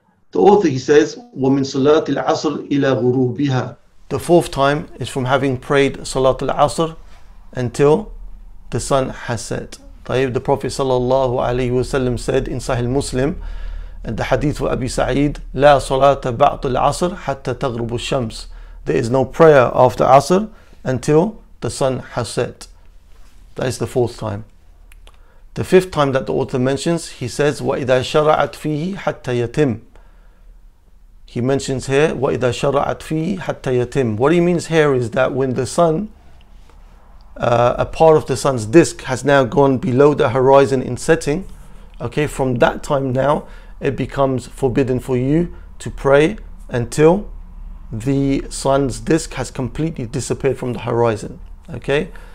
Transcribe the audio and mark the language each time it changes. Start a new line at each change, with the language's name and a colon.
English: The author, he says,
Arabic: وَمِن صَلَاتِ الْعَصْرِ إِلَى غُرُوبِهَا.
English: The fourth time is from having prayed Salatul Asr until the sun has set. Tayyib, the Prophet sallallahu alayhi wa sallam said in Sahih Muslim, and the hadith of Abi Sa'id,
Arabic: لَا صَلَاتَ بَعْطُ الْعَصْرِ حَتَّى تَغْرُبُ الشَّمْسِ.
English: There is no prayer after Asr until the sun has set. That is the fourth time. The fifth time that the author mentions, he says,
Arabic: وَإِذَا شَرَعَتْ فِيهِ حَتَّى يَتِمْ.
English: He mentions here,
Arabic: وَإِذَا شَرَعَتْ فِيهِ حَتَّى يَتِمْ.
English: What he means here is that when the sun, a part of the sun's disk has now gone below the horizon in setting, okay, from that time now, it becomes forbidden for you to pray until the sun's disk has completely disappeared from the horizon, okay?